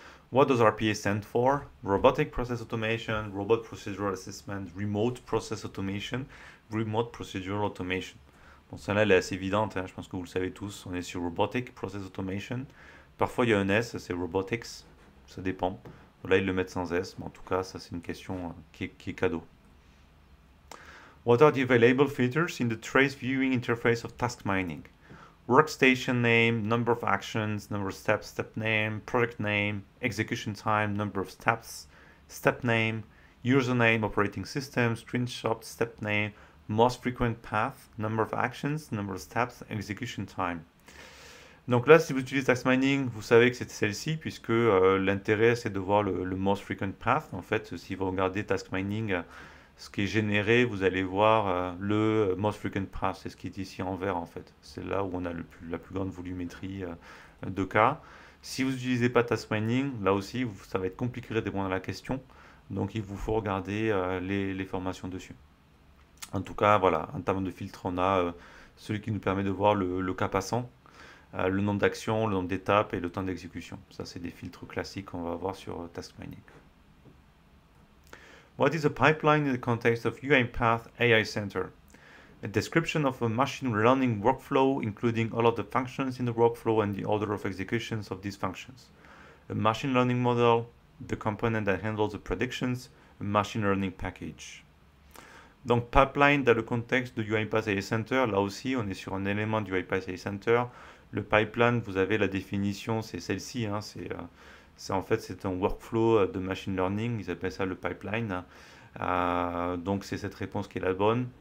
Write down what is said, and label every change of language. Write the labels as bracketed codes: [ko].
[en] What does RPA stand for? Robotic Process Automation, Robot Procedural Assessment, Remote Process Automation, Remote Procedural Automation. [fr] Bon, celle-là, elle est assez évidente, hein. Je pense que vous le savez tous. On est sur Robotic Process Automation. Parfois, il y a un S, c'est Robotics, ça dépend. Là, ils le mettent sans S, mais en tout cas, ça, c'est une question qui est cadeau. [en] What are the available features in the trace viewing interface of task mining? Workstation name, number of actions, number of steps, step name, project name, execution time, number of steps, step name, username, operating system, screenshot, step name, most frequent path, number of actions, number of steps, execution time. [fr] Donc là, si vous utilisez Task Mining, vous savez que c'est celle-ci, puisque l'intérêt, c'est de voir le most frequent path. En fait, si vous regardez Task Mining, ce qui est généré, vous allez voir le most frequent path. C'est ce qui est ici en vert, en fait. C'est là où on a la plus grande volumétrie de cas. Si vous n'utilisez pas Task Mining, là aussi, ça va être compliqué de répondre à la question. Donc, il vous faut regarder les formations dessus. En tout cas, voilà, en termes de filtre, on a celui qui nous permet de voir le cas passant. Le nombre d'actions, le nombre d'étapes et le temps d'exécution. Ça, c'est des filtres classiques qu'on va avoir sur Task Mining. [en] What is a pipeline in the context of UiPath AI Center? A description of a machine learning workflow, including all of the functions in the workflow and the order of executions of these functions. A machine learning model, the component that handles the predictions, a machine learning package. [fr] Donc, pipeline dans le contexte de UiPath AI Center, là aussi, on est sur un élément du UiPath AI Center. Le pipeline, vous avez la définition, c'est celle-ci. Hein, c'est un workflow de machine learning. Ils appellent ça le pipeline. Donc, c'est cette réponse qui est la bonne.